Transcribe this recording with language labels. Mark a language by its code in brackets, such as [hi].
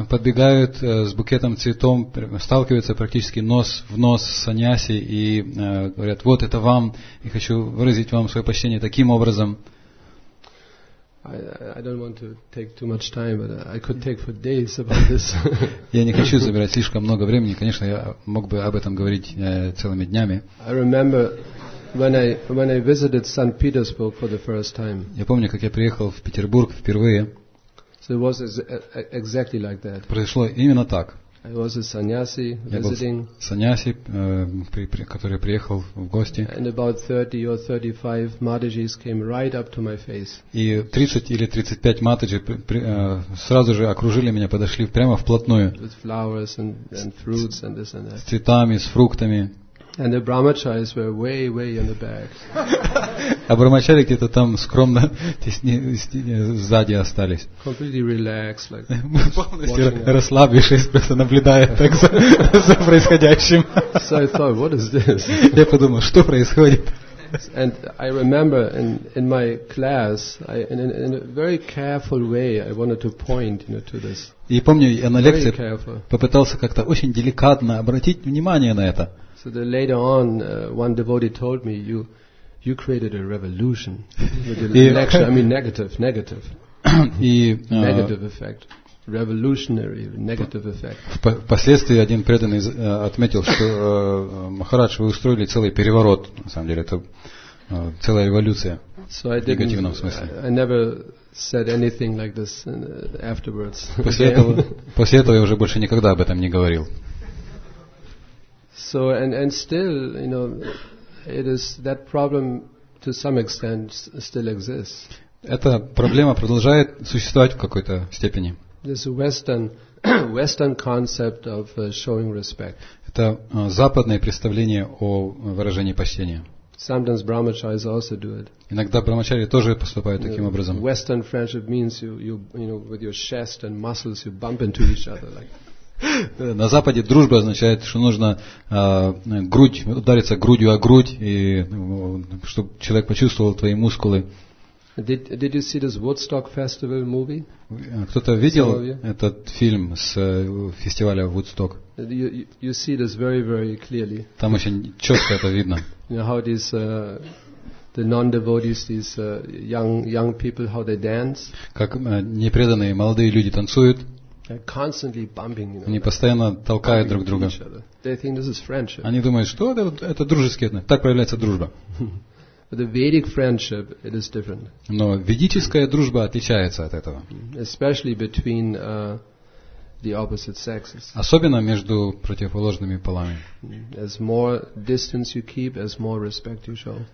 [ru] Подбегают с букетом цветом, сталкиваются практически нос в нос с саньяси и говорят, вот это вам, и хочу выразить вам свое почтение таким образом. [en] I don't want to take too much time, but I could take for days about this. [ru] Я не хочу забирать слишком много времени. Конечно, я мог бы об этом говорить целыми днями. [en] I remember when I visited St. Petersburg for the first time. [ru] Я помню, как я приехал в Петербург впервые. [en] So it was exactly like that. [ru] Произошло именно так. [en] I was a sannyasi visiting. [ru] Sannyasi, который приехал в гости. [en] And about 30 or 35 matajis came right up to my face. [ru] И 30 или 35 матаджи сразу же окружили меня, подошли прямо вплотную. [en] With flowers and fruits and this and that. [ru] С цветами, с фруктами. [en] And the brahmacharis were way in the back. [ru] А брахмачари где-то там скромно теснее сзади остались. [en] Completely relaxed, like [ru] полностью расслабившись, просто наблюдая так за происходящим. [en] So I thought, what is this? [ru] Я подумал, что происходит? [en] And I remember in my class, in a very careful way, I wanted to point, you know, to this. [ru] И помню, я на лекции попытался как-то очень деликатно обратить внимание на это. [en] So then later on, one devotee told me, you created a revolution with the lecture. I mean, negative. Negative effect. Revolutionary negative effect. [ru] Впоследствии один преданный отметил, что Махарадж, вы устроили целый переворот. На самом деле, это целая революция. [en] So I didn't, [ru] в негативном смысле. [en] I never said anything like this afterwards. [ru] После этого я уже больше никогда об этом не говорил. [en] So and still, you know, it is that problem to some extent still exists. [ru] Эта проблема продолжает существовать в какой-то степени. [en] This Western concept of showing respect. [ru] Это западное представление о выражении почтения. [en] Sometimes brahmacharis also do it. [ru] Иногда брахмачари тоже поступают таким образом. [en] Western friendship means you know with your chest and muscles you bump into each other like. [ru] На Западе дружба означает, что нужно ударится грудью о грудь, и чтобы человек почувствовал твои мускулы. [en] Did you see this Woodstock festival movie? [ru] Кто-то видел этот фильм с фестиваля Woodstock? [en] You see this very, very clearly. [ru] Там очень четко это видно. [en] You know how these the non-devotees, these young people, how they dance? [ru] Как непреданные молодые люди танцуют? [en] They're constantly bumping, you know, [ru] они постоянно толкают друг друга. [en] They think this is friendship. [ru] Они думают, что это дружеские отношения. Так появляется дружба. [en] But the Vedic friendship, it is different. [ru] Но ведическая дружба отличается от этого. [en] Especially between the opposite sexes. [ru] Особенно между противоположными полами. [en] As more distance you keep, as more respect you show.